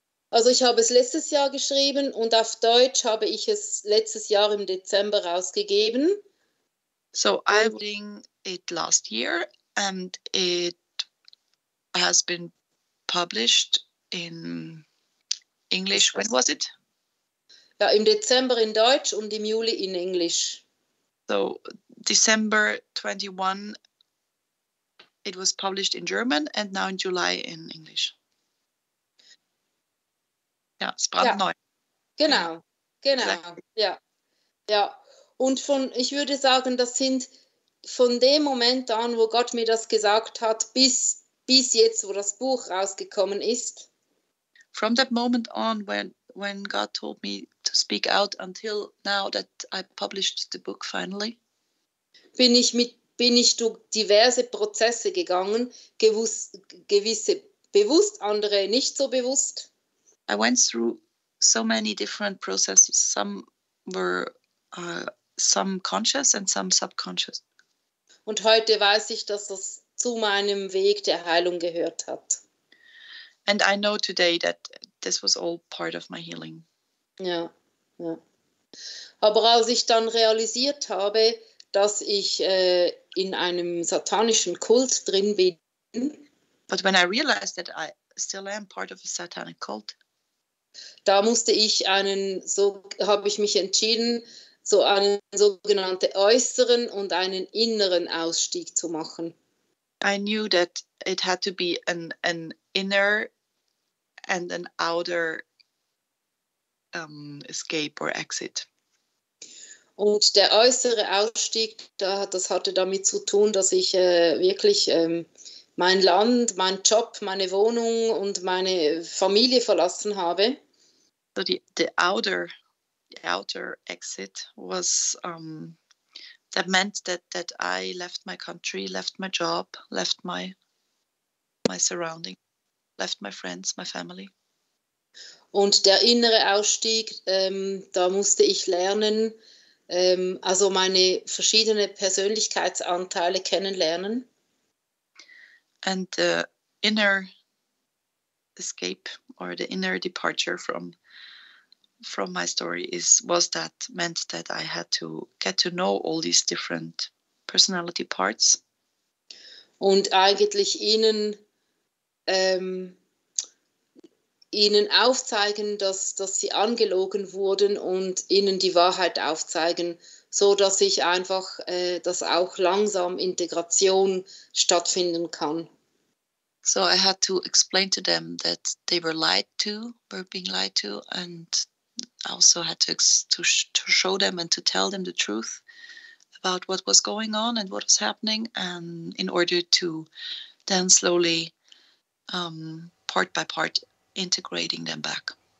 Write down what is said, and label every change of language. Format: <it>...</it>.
<de>Also ich habe es letztes Jahr geschrieben und auf Deutsch habe ich es letztes Jahr im Dezember rausgegeben.</de> <en>So I was writing it last year and it has been published in English. When was it?</en> <de>Ja, im Dezember in Deutsch und im Juli in Englisch.</de> <en>So, December 21, it was published in German and now in July in English.</en> <de>Ja, es brandneu. Genau. Ja. Und ich würde sagen, das sind von dem Moment an, wo Gott mir das gesagt hat, bis jetzt, wo das Buch rausgekommen ist.</de> <en>From that moment on, when God told me to speak out until now that I published the book finally.</en> <de>Bin ich durch diverse Prozesse gegangen, gewisse bewusst, andere nicht so bewusst.</de> <en>I went through so many different processes. Some were some conscious and some subconscious.</en> <de>Und heute weiß ich, dass das zu meinem Weg der Heilung gehört hat.</de> <en>And I know today that this was all part of my healing.</en> <de>Ja, ja. Aber als ich dann realisiert habe, dass ich in einem satanischen Kult drin bin.</de> <en>But when I realized that I still am part of a satanic cult.</en> <de>Da habe ich mich entschieden, so einen sogenannten äußeren und einen inneren Ausstieg zu machen.</de> <en>I knew that it had to be an inner and an outer escape or exit.</en> <de>Und der äußere Ausstieg, das hatte damit zu tun, dass ich wirklich mein Land, mein Job, meine Wohnung und meine Familie verlassen habe.</de> <en>So the outer exit was that meant that I left my country, left my job, left my surrounding, left my friends, my family.</en> <de>Und der innere Ausstieg, da musste ich lernen, also meine verschiedenen Persönlichkeitsanteile kennenlernen.</de> <en>And the inner escape or the inner departure from my story meant that I had to get to know all these different personality parts.</en> <de>Und eigentlich ihnen aufzeigen, dass sie angelogen wurden und ihnen die Wahrheit aufzeigen, so dass ich einfach, dass auch langsam Integration stattfinden kann.</de> <en>So I had to explain to them that they were lied to, were being lied to, and also had to show them and to tell them the truth about what was going on and what was happening, and in order to then slowly, part by part, integrating them back.</en>